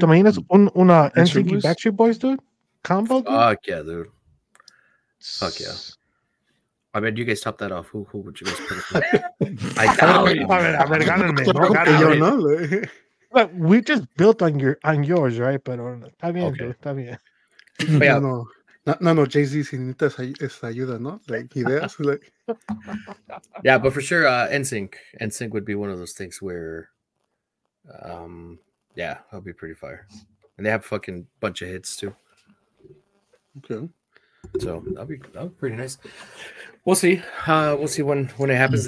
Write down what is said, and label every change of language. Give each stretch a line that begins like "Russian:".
Spanish: Tú imaginas una NSYNC y Backstreet Boys, dude? Combo?
English: Dude? Fuck yeah, dude. Fuck yeah. I mean, you guys top that off. Who would you guys put it for? I doubt it. No, but we just built on yours, right? But
Spanish: está bien, okay. Dude. Está bien.
English: Yeah.
Spanish: No, Jay-Z, si necesitas esa ayuda, ¿no?
English: Like, ideas, like... Yeah, but for sure, NSYNC. NSYNC would be one of those things where, yeah, that'll be pretty fire. And they have a fucking bunch of hits, too. Okay. So, that'll be pretty nice. We'll see. We'll see when it happens.